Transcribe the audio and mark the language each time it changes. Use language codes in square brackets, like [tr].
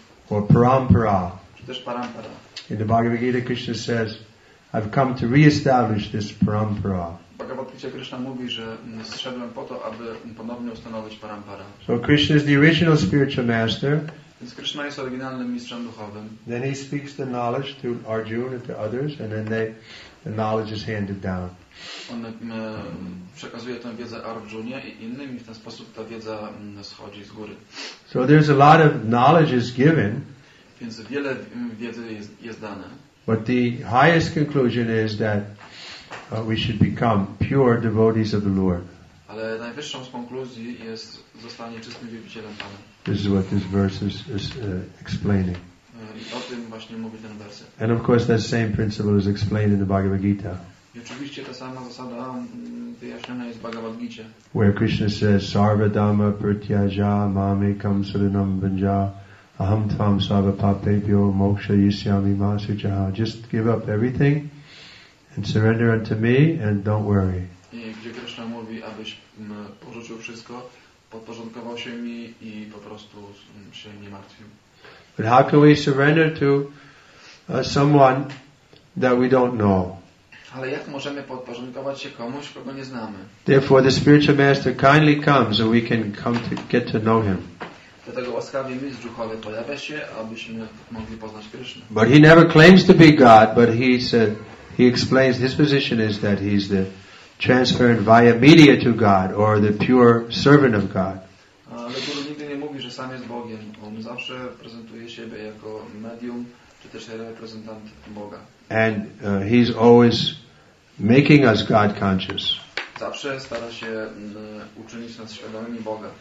[en] Or parampara. In the Bhagavad Gita, Krishna says, I've come to re-establish this parampara. [pl] Bhagavad-gita Krishna mówi, że zszedłem po to, aby ponownie ustanowić parampara. [en] So Krishna is the original spiritual master. [pl] Więc Krishna jest oryginalnym mistrzem duchowym. [en] Then he speaks the knowledge to Arjuna and to others, and then the knowledge is handed down. [pl] On przekazuje tę wiedzę Arjunie i innym, i w ten sposób ta wiedza schodzi z góry. [en] So there's a lot of knowledge is given. [pl] Więc wiele wiedzy jest dane. [en] But the highest conclusion is that we should become pure devotees of the Lord. [pl] Ale najwyższą z konkluzji jest zostanie czystym wielbicielem Pana. [en] This is what this verse is explaining. [pl] I o tym właśnie mówi ten werset. [en] And of course that same principle is explained in the Bhagavad Gita. [pl] I oczywiście ta sama zasada wyjaśniona jest w Bhagavad Gita. [en] Where Krishna says, [sa] Sarva Dhamma Pratyaja Mame Kam Saranam Vanja Aham Tvam Sarva Papebhyo Moksha Yisyami Masu Jaha. [en] Just give up everything and surrender unto me and don't worry. [pl] I gdzie Krishna mówi, abyś porzucił wszystko, podporządkował się mi i po prostu się nie martwił. [en] But how can we surrender to someone that we don't know? [pl] Ale jak możemy podporządkować się komuś, kogo nie znamy? [en] Therefore the spiritual master kindly comes and we can come to get to know him. [pl] Dlatego łaskawie mistrz duchowy pojawia się, abyśmy mogli poznać Krishna. [en] But he never claims to be God, but he said, he explains his position is that he's the transferred via media to God or the pure servant of God. [pl] Ale Guru nigdy nie mówi, że sam jest Bogiem. On zawsze prezentuje siebie jako medium, czy też reprezentant Boga. [en] And he's always making us God conscious. [pl] Zawsze stara się uczynić nas świadomymi Boga.